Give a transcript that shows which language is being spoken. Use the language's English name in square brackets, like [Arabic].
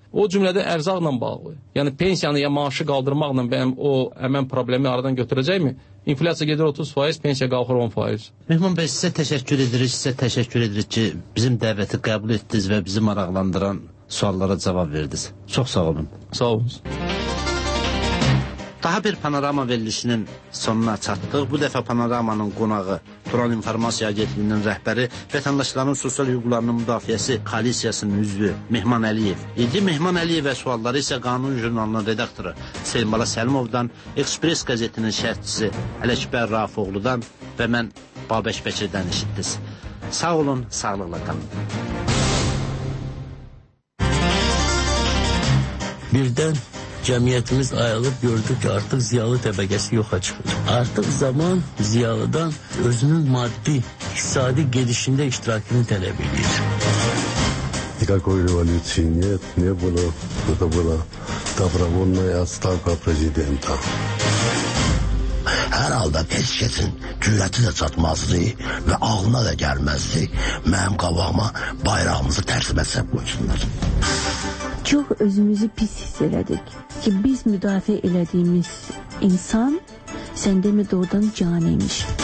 [Azerbaijani] O cümlədə ərzaqla bağlı. Yəni pensiyanı ya maaşı qaldırmaqla mənim o həmin problemi aradan götürəcəkmi? İnflyasiya gedir 30%, pensiya qalxır 10%. Mehman bəy, sizə təşəkkür edirik. Sizə təşəkkür edirik ki, bizim dəvəti qəbul etdiniz və bizi maraqlandıran suallara cavab verdiniz. Çox sağ olun. Sağ olun. Daha bir panorama verilişinin sonuna çatdıq. Bu dəfə panoramanın qonağı Turan İnformasiya Agentliyinin rəhbəri, vətəndaşların sosial hüquqlarının müdafiəsi koalisiyasının üzvü Mehman Əliyev idi. Mehman Əliyevə sualları isə Qanun Jurnalının redaktoru Seymala Səlimovdan, Ekspres qəzetinin şərhçisi Ələkbər Rafoğludan və mən Babək Bəkirdən işitdiniz. Sağ olun, sağlıqla qalın. Birdən cəmiyyətimiz ayılıb gördü ki, artıq ziyalı təbəqəsi yoxa çıxır. Artıq zaman ziyalıdan özünün maddi, iqtisadi gedişində iştirakını tələb edir. [Russian] Никакой революции нет, не было, это была добровольная отставка президента. [Azerbaijani] Hər halda peşkəsin cürəti də çatmazdı və ağına da gəlməzdi mənim qabağıma bayrağımızı tərsməsə qoysunlar. Çox özümüzü pis hiss elədik ki, biz müdafiə elədiyimiz insan sən demə doğrudan canıymış.